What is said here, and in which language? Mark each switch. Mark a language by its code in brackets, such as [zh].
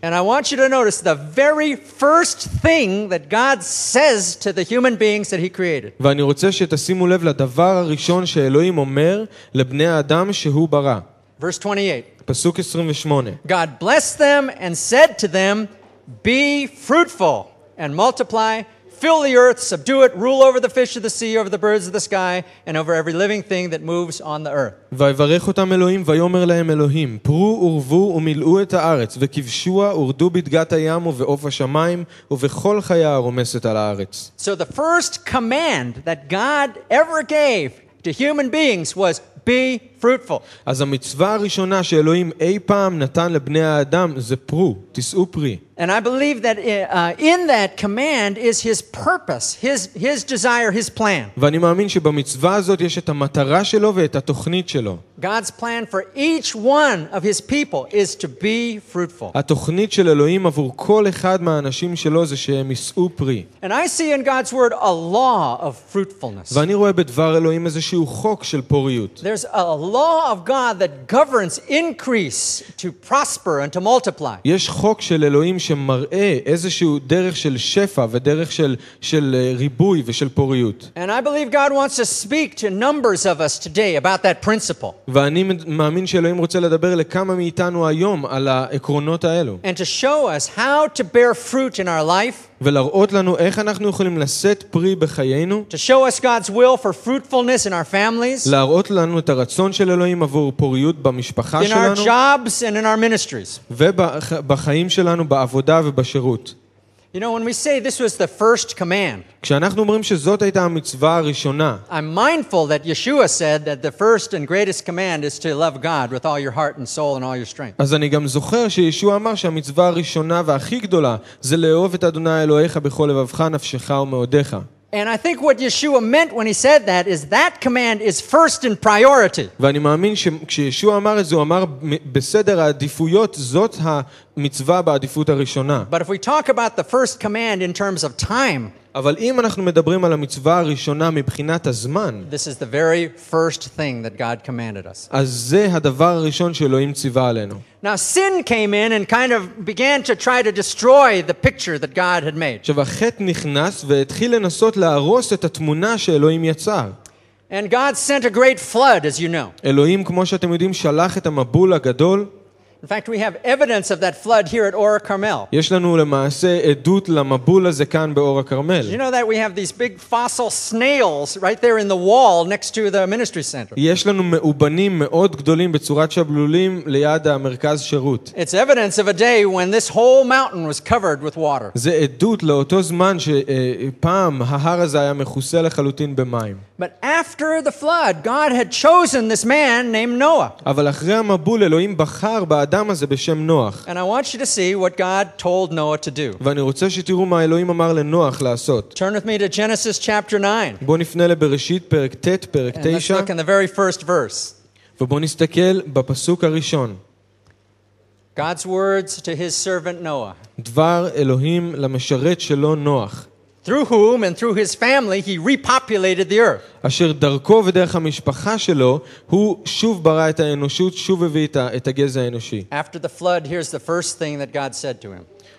[en] And I want you to notice the very first thing that God says to the human beings that he created. [he] ואני רוצה תשימו לב לדבר הראשון שאלוהים אומר לבני האדם שהוא ברא. [en] Verse 28. [he] פסוק 28. [en] God blessed them and said to them, "Be fruitful and multiply, fill the earth, subdue it, rule over the fish of the sea, over the birds of the sky, and over every living thing that moves on the earth." [he] ויברך אותם אלוהים ויאמר להם אלוהים, פרו ורבו ומילאו את הארץ, וכבשוה ורדו בדגת הים ובעוף השמיים, ובכל חיה הרומסת על הארץ. [en] So the first command that God ever gave to human beings was be fruitful. [he] אז המצווה הראשונה שאלוהים אי פעם נתן לבני האדם זה פרו, תשאו פרי. [en] And I believe that in that command is his purpose, his desire, his plan. [he] ואני מאמין שבמצווה הזאת יש את המטרה שלו ואת התוכנית שלו. [en] God's plan for each one of his people is to be fruitful. [he] התוכנית של אלוהים עבור כל אחד מהאנשים שלו זה שהם יישאו פרי. [en] And I see in God's word a law of fruitfulness. [he] ואני רואה בדבר אלוהים איזשהו חוק של פוריות. [en] There's a law of God that governs increase to prosper and to multiply. [he] יש חוק של אלוהים שמראה איזשהו דרך של שפע ודרך של ריבוי ושל פוריות. [en] And I believe God wants to speak to numbers of us today about that principle. [he] ואני מאמין שאלוהים רוצה לדבר לכמה מאיתנו היום על העקרונות האלו. [en] And to show us how to bear fruit in our life. [he] ולראות לנו איך אנחנו יכולים לשאת פרי בחיינו. [en] To show us God's will for fruitfulness in our families. [he] להראות לנו את הרצון של אלוהים עבור פוריות במשפחה שלנו. [en] In our jobs and in our ministries. [he] ובחיים שלנו, בעבודה ובשירות. [en] You know, when we say this was the first command, [he] כשאנחנו אומרים שזאת הייתה המצווה הראשונה, [en] I'm mindful that Yeshua said that the first and greatest command is to love God with all your heart and soul and all your strength. [he] אז אני גם זוכר שישוע אמר שהמצווה הראשונה והכי גדולה זה לאהוב את אדוני אלוהיך בכל לבבך, נפשך ומאודך. [en] And I think what Yeshua meant when he said that is that command is first in priority. [he] ואני מאמין שכשישוע אמר את זה, הוא אמר בסדר העדיפויות, זאת המצווה בעדיפות הראשונה. [en] But if we talk about the first command in terms of time, [he] אבל אם אנחנו מדברים על המצווה הראשונה מבחינת הזמן, [en] this is the very first thing that God commanded us. [he] אז זה הדבר הראשון שאלוהים ציווה עלינו. [en] Now sin came in and kind of began to try to destroy the picture that God had made. [he] שחטא נכנס והתחיל לנסות להרוס את התמונה שאלוהים יצר. [en] And God sent a great flood, as you know. [he] אלוהים, כמו שאתם יודעים, שלח את המבול הגדול. [en] In fact, we have evidence of that flood here at Or Carmel. [he] יש לנו למעשה עדות למבול הזה כאן באור הכרמל. [en] You know that we have these big fossil snails right there in the wall next to the ministry center. [he] יש לנו מאובנים מאוד גדולים בצורת שבלולים ליד המרכז שירות. [en] It's evidence of a day when this whole mountain was covered with water. [he] זה עדות לאותו זמן שפעם ההר הזה היה מכוסה לחלוטין במים. [en] But after the flood, God had chosen this man named Noah. [he] אבל אחרי המבול אלוהים בחר באדם הזה בשם נוח. [en] And I want you to see what God told Noah to do. [he] ואני רוצה שתראו מה אלוהים אמר לנוח לעשות. [en] Turn with me to Genesis chapter 9. [he] בוא נפנה לבראשית פרק ט' פרק 9. [en] And let's look in the very first verse. [he] ובוא נסתכל בפסוק הראשון. [en] God's words to his servant Noah. [he] דבר אלוהים למשרת שלו נוח. [en] Through whom and through his family he repopulated the earth. [he] אשר דרכו ודרך המשפחה שלו הוא שוב ברא את האנושות, שוב הביא את הגזע האנושי. [en] After the flood, here's the first thing that God said to him.